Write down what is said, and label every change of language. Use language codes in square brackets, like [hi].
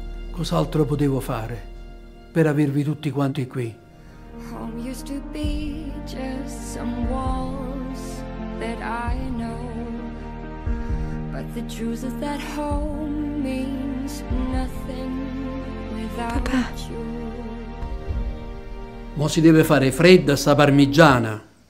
[it] Cos'altro potevo fare per avervi tutti quanti qui? [en] Home used to be just some walls that I know, but the truth is that home means nothing without you. [it] Mo si deve fare fredda sta parmigiana.